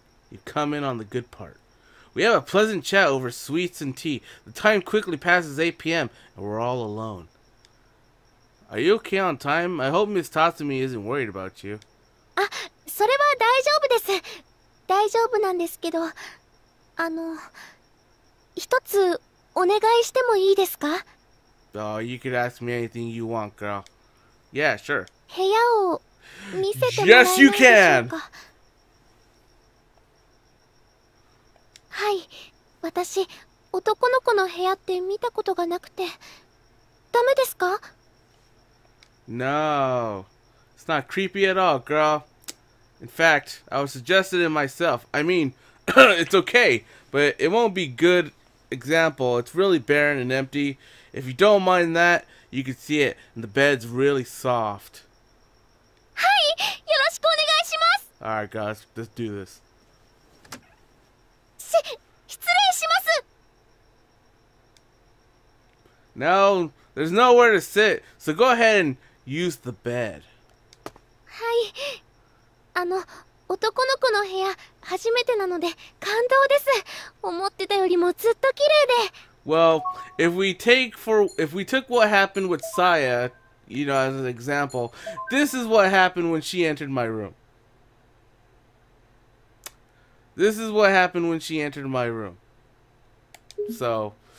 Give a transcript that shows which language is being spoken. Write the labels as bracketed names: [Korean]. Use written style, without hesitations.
[English] You come in on the good part. We have a pleasant chat over sweets and tea. The time quickly passes 8 p.m. and we're all alone. Are you okay on time? I hope Miss Tatsumi isn't worried about you. [Japanese] Ah, それは大丈夫です。大丈夫なんですけど、一つお願いしてもいいですか？ [English] Oh, you could ask me anything you want, girl. Yeah, sure. [Japanese] 部屋を見せてもらえないでしょうか？ [English] Yes, you can! [Japanese] はい、私、男の子の部屋って見たことがなくて、ダメですか？ [English] No, it's not creepy at all, girl. In fact, I was suggested it myself. I mean, it's okay, but it won't be good example. It's really barren and empty. If you don't mind that, you can see it, and the bed's really soft. [Japanese] Hi, よろしくお願いします。 [English] All right, guys, let's do this. [Japanese] 失礼します。 [English] No, there's nowhere to sit, so go ahead and... Use the bed. [Japanese] はい。男の子の部屋、初めてなので、感動です。思ってたよりもずっと綺麗で。 [English] Well, if we took what happened with Saya, you know, as an example, this is what happened when she entered my room. This is what happened when she entered my room. So,